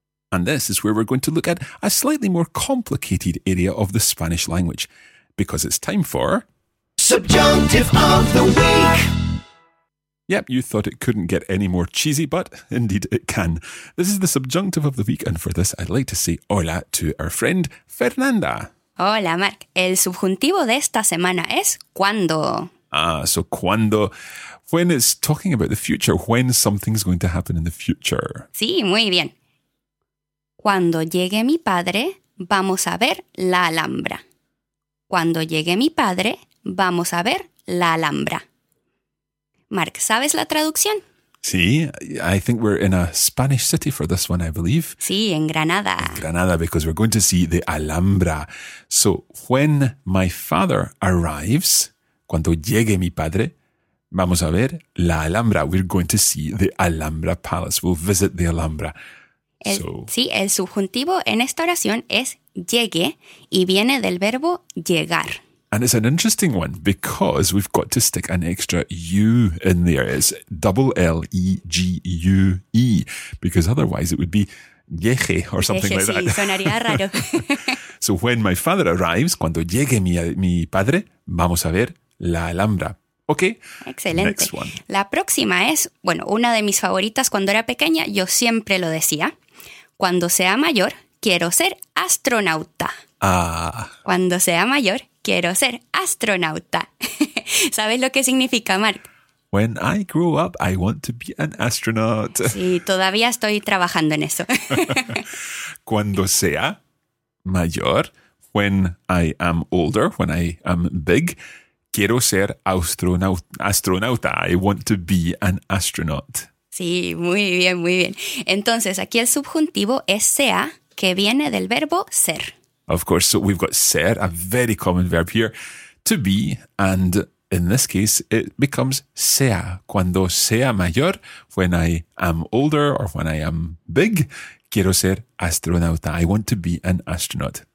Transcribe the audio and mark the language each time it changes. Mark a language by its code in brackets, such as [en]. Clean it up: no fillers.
[en] And this is where we're going to look at a slightly more complicated area of the Spanish language, because it's time for... Subjunctive of the Week! Yep, you thought it couldn't get any more cheesy, but indeed it can. This is the subjunctive of the week, and for this I'd like to say hola to our friend Fernanda. [es] Hola, Mark. El subjuntivo de esta semana es cuando. [en] Ah, so cuando... When it's talking about the future, when something's going to happen in the future. [es] Sí, muy bien. Cuando llegue mi padre, vamos a ver la Alhambra. Cuando llegue mi padre, vamos a ver la Alhambra. Mark, ¿sabes la traducción? [en] Sí, I think we're in a Spanish city for this one, I believe. [es] Sí, en Granada. [en] In Granada, because we're going to see the Alhambra. So, when my father arrives, [es] cuando llegue mi padre... Vamos a ver la Alhambra. [en] We're going to see the Alhambra Palace. We'll visit the Alhambra. [es] Sí, el subjuntivo en esta oración es llegue y viene del verbo llegar. [en] And it's an interesting one because we've got to stick an extra U in there. It's double L-E-G-U-E because otherwise it would be lleje or something lleje, like that. [es] Sí, sonaría raro. [en] So when my father arrives, [es] cuando llegue mi padre, vamos a ver la Alhambra. [en] Okay. [es] Excelente. [en] Next one. [es] La próxima es, bueno, una de mis favoritas cuando era pequeña, yo siempre lo decía. Cuando sea mayor, quiero ser astronauta. Ah. Cuando sea mayor, quiero ser astronauta. ¿Sabes lo que significa, Mark? [en] When I grow up, I want to be an astronaut. [es] Sí, todavía estoy trabajando en eso. Cuando sea mayor, [en] when I am older, when I am big, [es] quiero ser astronauta. [en] I want to be an astronaut. [es] Sí, muy bien, muy bien. Entonces, aquí el subjuntivo es sea, que viene del verbo ser. [en] Of course, so we've got ser, a very common verb here, to be, and in this case, it becomes sea. [es] Cuando sea mayor, [en] when I am older or when I am big, [es] quiero ser astronauta. [en] I want to be an astronaut.